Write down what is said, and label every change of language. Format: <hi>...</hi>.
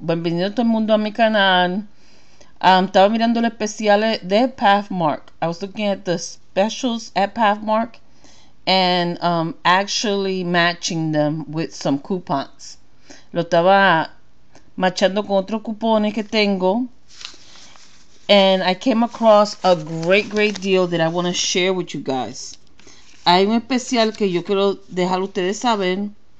<es>Bienvenido a todo el mundo a mi canal. Estaba mirando los especiales de Pathmark.</es> <en>I was looking at the specials at Pathmark and actually matching them with some coupons.</en> <es>Lo estaba matchando con otros cupones que tengo.</es> <en>And I came across a great, great deal that I want to share with you guys.</en> <es>Hay un especial que yo quiero dejar ustedes saber.</es>